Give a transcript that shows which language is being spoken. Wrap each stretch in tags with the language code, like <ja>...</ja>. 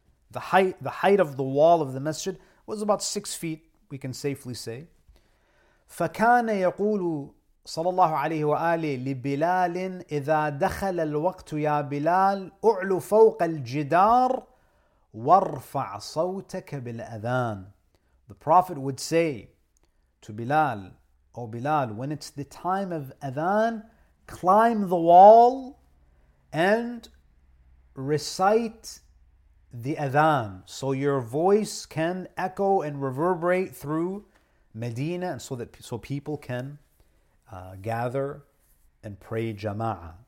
<en>The height of the wall of the Masjid was about 6 feet, we can safely say.</en> <ar>فَكَانَ يَقُولُ صلى الله عليه وآله لبلال إذا دخل الوقت يا بلال أعلو فوق الجدار وارفع صوتك بالأذان.</ar> <en>The Prophet would say to Bilal, O Bilal, when it's the time of Adhan, climb the wall and recite the Adhan so your voice can echo and reverberate through Medina and so people can gather and pray Jama'ah.</en>